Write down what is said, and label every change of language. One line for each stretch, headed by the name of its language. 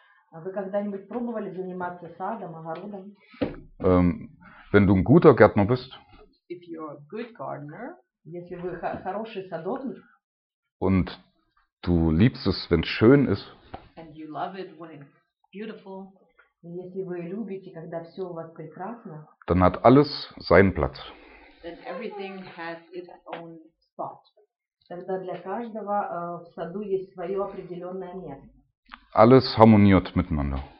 Russian: Вы когда-нибудь пробовали заниматься садом, огородом?
German: Wenn du ein guter Gärtner bist.
English: If you're a good gardener.
Russian: Если вы хороший садовник.
German: Und du liebst es, wenn es schön ist.
English: And you love it when it's beautiful.
Russian: Если вы любите, когда все у вас прекрасно.
German: Dann hat alles seinen Platz.
English: Then everything has its own spot.
Russian: Тогда для каждого в саду есть свое определенное место.
German: Alles harmoniert miteinander.